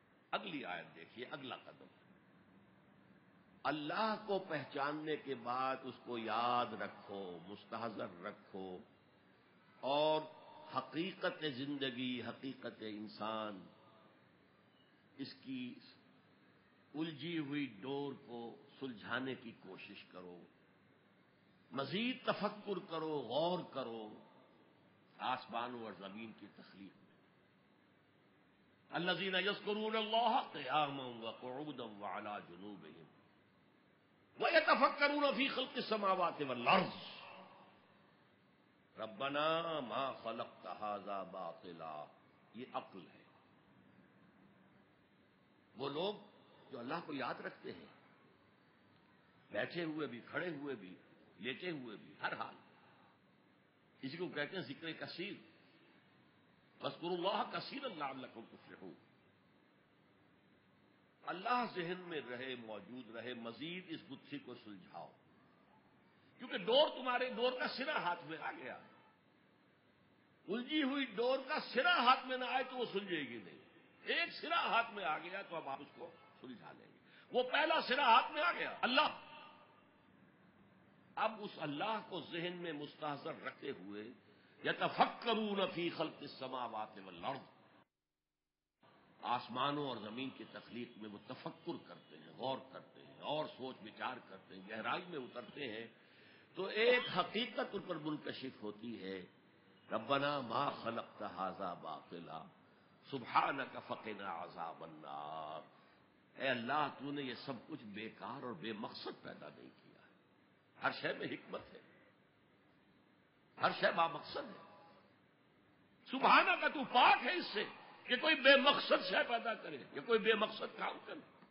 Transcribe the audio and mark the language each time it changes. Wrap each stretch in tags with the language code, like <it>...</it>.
<ur>اگلی آیت دیکھیے، اگلا قدم. اللہ کو پہچاننے کے بعد اس کو یاد رکھو، مستحضر رکھو، اور حقیقت زندگی، حقیقت انسان، اس کی الجھی ہوئی ڈور کو سلجھانے کی کوشش کرو، مزید تفکر کرو، غور کرو آسمانوں اور زمین کی تخلیق.</ur> <ar>الذين يذكرون الله قياما وقعودا وعلى جنوبهم ويتفكرون في خلق السماوات والارض ربنا ما خلقت هذا باطلا.</ar> <ur>یہ عقل ہے. وہ لوگ جو اللہ کو یاد رکھتے ہیں، بیٹھے ہوئے بھی، کھڑے ہوئے بھی، لیٹے ہوئے بھی، ہر حال. اسی کو کہتے ہیں ذکر کثیر،</ur> <ar>فاذکروا اللہ کثیرا لعلکم تفلحون.</ar> <ur>اللہ ذہن میں رہے، موجود رہے، مزید اس گتھی کو سلجھاؤ، کیونکہ ڈور تمہارے ڈور کا سرا ہاتھ میں آ گیا. الجھی ہوئی ڈور کا سرا ہاتھ میں نہ آئے تو وہ سلجھے گی نہیں. ایک سرا ہاتھ میں آ گیا تو اب آپ اس کو سلجھا لیں گے. وہ پہلا سرا ہاتھ میں آ گیا، اللہ. اب اس اللہ کو ذہن میں مستحضر رکھتے ہوئے</ur> <ar>یتفکرون فی خلق السماوات والارض،</ar> <ur>آسمانوں اور زمین کی تخلیق میں وہ تفکر کرتے ہیں، غور کرتے ہیں، اور سوچ بچار کرتے ہیں، گہرائی میں اترتے ہیں، تو ایک حقیقت ان پر منکشف ہوتی ہے.</ur> <ar>ربنا ما خلقت هذا باطلا سبحانك فقنا عذاب النار.</ar> <ur>اے اللہ، تو نے یہ سب کچھ بیکار اور بے مقصد پیدا نہیں کیا. ہر شے میں حکمت ہے، ہر شے با مقصد ہے. سبحانہ کا تو پاک ہے اس سے کہ کوئی بے مقصد شے پیدا کرے یا کوئی بے مقصد کام کرے.</ur>